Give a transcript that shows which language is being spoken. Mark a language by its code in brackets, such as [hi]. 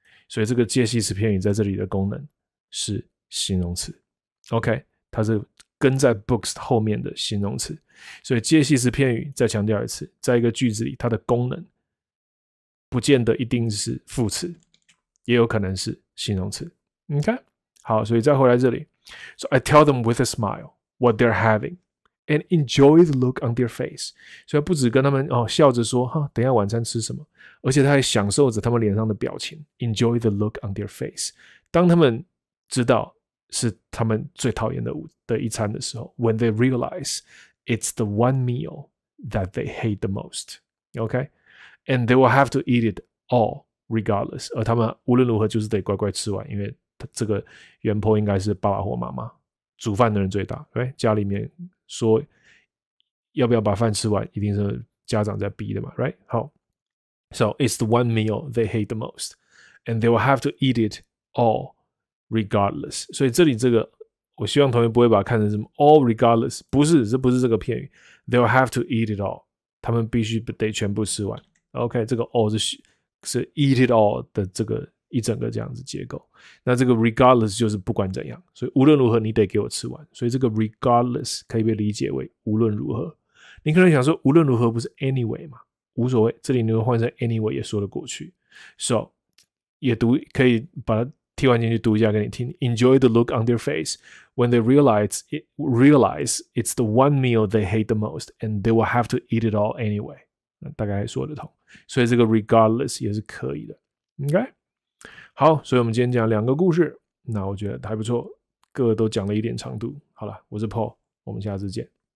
[zh] 所以这个介系词片语在这里的功能是形容词。 OK， 它是跟在 books 后面的形容词。所以介系词片语再强调一次，在一个句子里，它的功能不见得一定是副词，也有可能是形容词。 [en] OK， [zh] 好，所以再回来这里 [en] ，So I tell them with a smile what they're having。 And enjoy the look on their face. [zh] 所以不只跟他们、哦、笑着说哈，等一下晚餐吃什么，而且他还享受着他们脸上的表情。 [en] Enjoy the look on their face. [zh] 当他们知道是他们最讨厌的一餐的时候 [en] ，when they realize it's the one meal that they hate the most. Okay, and they will have to eat it all regardless. [zh] 而他们无论如何就是得乖乖吃完，因为他这个原po应该是爸爸或妈妈煮饭的人最大，对，家里面。说要不要把饭吃完，一定是家长在逼的嘛 ， [en] right？好 ，so it's the one meal they hate the most， and they will have to eat it all regardless。 [zh] 所以这里这个，我希望同学不会把它看成什么 [en] all regardless， [zh] 不是，这不是这个片语。 [en] They will have to eat it all， [zh] 他们必须得全部吃完。 OK， 这个 all 是 eat it all 的这个一整个这样子结构。那这个 regardless 就是不管怎样，所以无论如何你得给我吃完，所以这个 regardless 可以被理解为无论如何。你可能想说无论如何不是 anyway 吗？无所谓，这里你会换成 anyway 也说得过去。 So 也读可以把它替换进去读一下给你听。 [en] Enjoy the look on their face when they realize it's the one meal they hate the most and they will have to eat it all anyway。 [zh] 那大概说得通，所以这个 regardless 也是可以的。 OK，好，所以我们今天讲两个故事，那我觉得还不错，各个都讲了一点长度。好了，我是 Paul， 我们下次见。